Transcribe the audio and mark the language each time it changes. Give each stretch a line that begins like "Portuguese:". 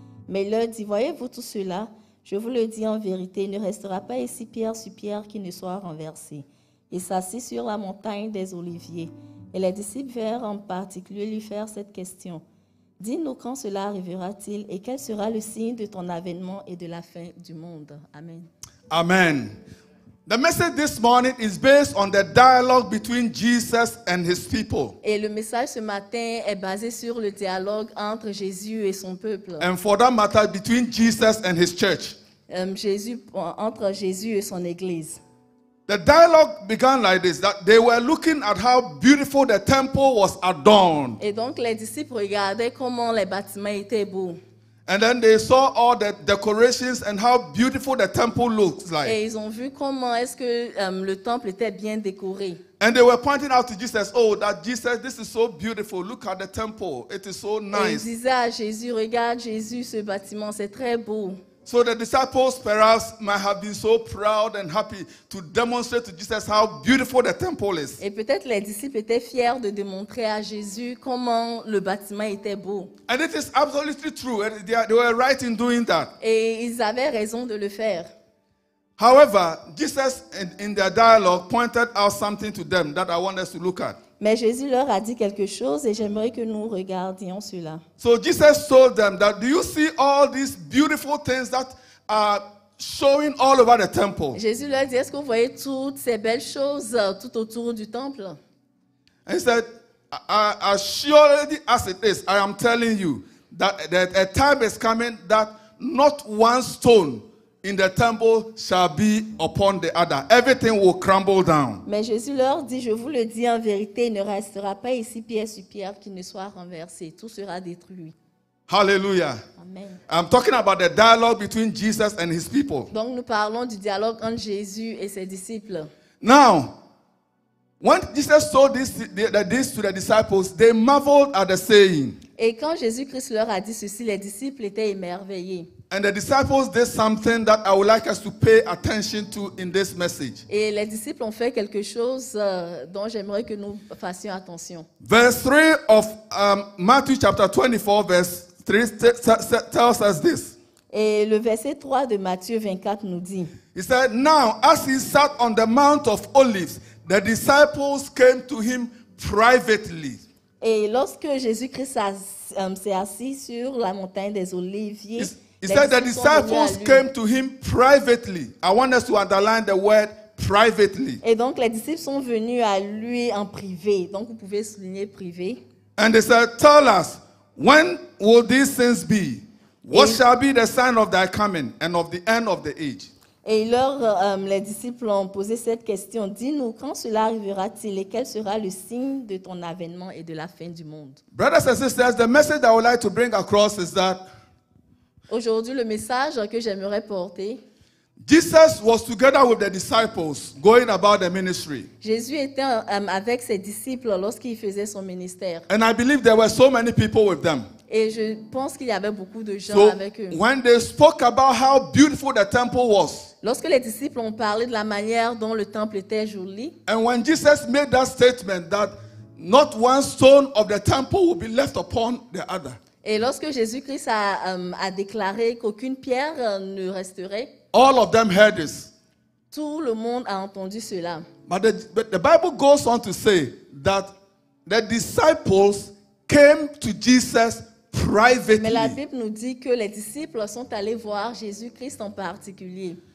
French: Mais il leur dit, voyez-vous tout cela? Je vous le dis en vérité, il ne restera pas ici pierre sur pierre qui ne soit renversée. Il s'assit sur la montagne des Oliviers. Et les disciples vinrent en particulier lui faire cette question. Dis-nous quand cela arrivera-t-il et quel sera le signe de ton avènement et de la fin du monde? Amen. Amen.
English: The message this morning is based on the dialogue between Jesus and his people.
French: Et le message ce matin est basé sur le dialogue entre Jésus et son peuple.
English: And for that matter, between Jesus and his church.
French: Entre Jésus et son église.
English: The dialogue began like this, that they were looking at how beautiful the temple was adorned.
French: Et donc les disciples regardaient comment les bâtiments étaient beaux.
English: And then they saw all the decorations and how beautiful the temple looks like.
French: Et ils ont vu comment est-ce que le temple était bien décoré.
English: And they were pointing out to Jesus, oh, that Jesus, this is so beautiful. Look at the temple. It is so nice.
French: Et ils disaient à Jésus, regarde Jésus, ce bâtiment, c'est très beau.
English: So the disciples perhaps might have been so proud and happy to demonstrate to Jesus how beautiful the temple is.
French: Et peut-être les disciples étaient fiers de démontrer à Jésus comment le bâtiment était beau.
English: And it is absolutely true. They were right in doing that.
French: Et ils avaient raison de le faire.
English: However, Jesus in their dialogue pointed out something to them that I want us to look at.
French: Mais Jésus leur a dit quelque chose et j'aimerais que nous regardions cela.
English: So Jesus told them that, do you see all these beautiful things that are showing all over the temple?
French: Jésus leur dit, est-ce que vous voyez toutes ces belles choses tout autour du temple?
English: And he said, as surely as it is, I am telling you that a time is coming that not one stone in the temple shall be upon the other. Everything will crumble down.
French: Mais Jésus leur dit, je vous le dis en vérité, il ne restera pas ici pierre sur pierre qui ne soit renversée. Tout sera détruit. Hallelujah. Amen.
English: I'm talking about the dialogue between Jesus and his people.
French: Donc nous parlons du dialogue entre Jésus et ses disciples.
English: Now, when Jesus told this to the disciples, they marveled at the saying.
French: Et quand Jésus-Christ leur a dit ceci, les disciples étaient émerveillés.
English: And the disciples did something that I would like us to pay attention to in this message.
French: Et les disciples ont fait quelque chose dont j'aimerais que nous fassions attention.
English: Verse 3 of Matthew chapter 24 verse 3 tells us this.
French: Et le verset 3 de Matthieu 24 nous dit.
English: He said, now as he sat on the Mount of Olives, the disciples came to him privately.
French: Et lorsque Jésus-Christ s'est assis sur la montagne des Oliviers,
English: he said the disciples came to him privately. I want us to underline the word privately.
French: Et donc les disciples sont venus à lui en privé. Donc vous pouvez souligner privé.
English: And they said, tell us, when will these things be? What shall be the sign of thy coming and of the end of the age?
French: Et les disciples ont posé cette question. Dis-nous, quand cela arrivera-t-il et quel sera le signe de ton avènement et de la fin du monde?
English: Brothers and sisters, the message that I would like to bring across is that
French: aujourd'hui, le message que j'aimerais porter.
English: Jesus was together with the disciples going about their ministry.
French: Jésus était avec ses disciples lorsqu'il faisait son ministère.
English: And I believe there were so many people with them.
French: Et je pense qu'il y avait beaucoup de gens so avec eux.
English: When they spoke about how beautiful the temple was.
French: Lorsque les disciples ont parlé de la manière dont le temple était joli.
English: And when Jesus made that statement that not one stone of the temple will be left upon the other.
French: Et lorsque Jésus-Christ a déclaré qu'aucune pierre ne resterait,
English: all of them heard this.
French: Tout le monde a entendu cela.
English: But the Bible goes on to say that the disciples came to Jesus privately.
French: Mais la Bible nous dit que les disciples sont allés voir Jésus-Christ en particulier.